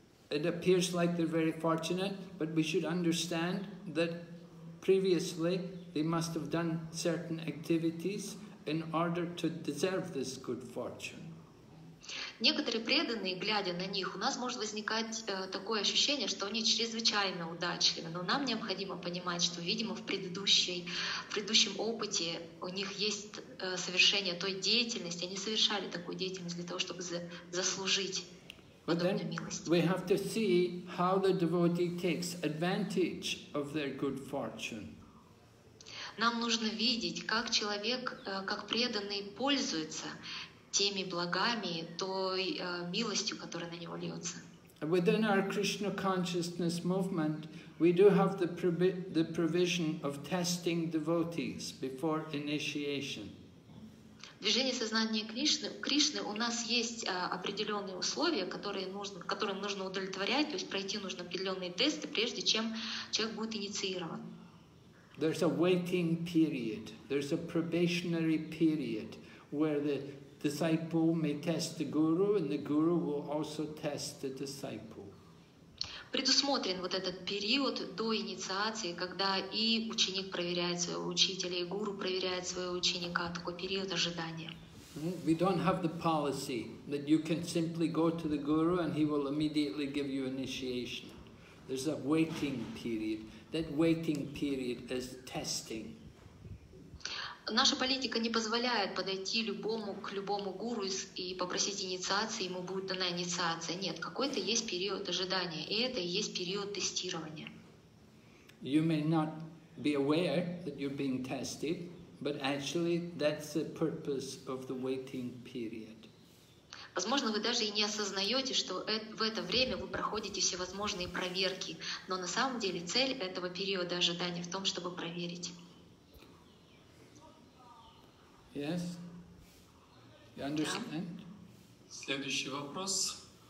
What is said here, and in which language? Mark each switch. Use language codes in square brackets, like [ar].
[en] It appears like they're very fortunate, but we should understand that previously they must have done certain activities in order to deserve this good fortune. [ru] Некоторые преданные, глядя на них, у нас может возникать такое ощущение, что они чрезвычайно удачливы, но нам необходимо понимать, что, видимо, в предыдущем опыте у них есть совершение той деятельности, они совершали такую деятельность для того, чтобы заслужить подобную милость. [en] We have to see how the devotee takes advantage of their good fortune. [ru] Нам нужно видеть, как человек, как преданный пользуется теми благами, той милостью, которая на него льется. [en] Within our Krishna consciousness movement, we do have the provision of testing devotees before initiation. [ru] В движении сознания Кришны у нас есть определенные условия, которым нужно удовлетворять, то есть пройти нужно определенные тесты, прежде чем человек будет инициирован. [en] There's a waiting period. There's a probationary period where the disciple may test the guru, and the guru will also test the disciple. [ru] Предусмотрен вот этот период до инициации, когда и ученик проверяет своего учителя, и гуру проверяет своего ученика, такой период ожидания. [en] We don't have the policy that you can simply go to the guru and he will immediately give you initiation. There's a waiting period. That waiting period is testing. [ru] наша политика не позволяет подойти любому к любому гуру и попросить инициации, ему будет дана инициация. Нет, какой-то есть период ожидания, и это и есть период тестирования. [en] You may not be aware that you're being tested, but actually that's the purpose of the waiting period. [ru] Возможно, вы даже и не осознаете, что в это время вы проходите всевозможные проверки, но на самом деле цель этого периода ожидания в том, чтобы проверить. [en] Yes. You understand? [ru] Yeah. Следующий вопрос.